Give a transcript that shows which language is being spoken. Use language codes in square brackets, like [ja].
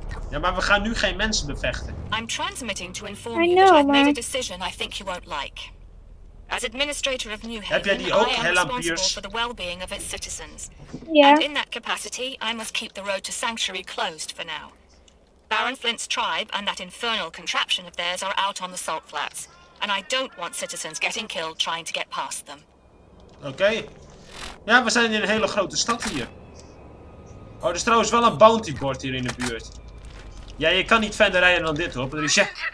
[nl] Ja, maar we gaan nu geen mensen bevechten. [en] I'm transmitting to inform you that I've made a decision I think you won't like. As administrator of New Haven, [nl] ook, [en] I am responsible for the well-being of its citizens. Yeah. And in that capacity, I must keep the road to Sanctuary closed for now. Baron Flint's tribe and that infernal contraption of theirs are out on the salt flats. And I don't want citizens getting killed trying to get past them. Okay. [nl] Ja, we zijn in een hele grote stad hier. Oh, er is trouwens wel een bounty board hier in de buurt. Ja, je kan niet verder rijden dan dit hoor, Patricia.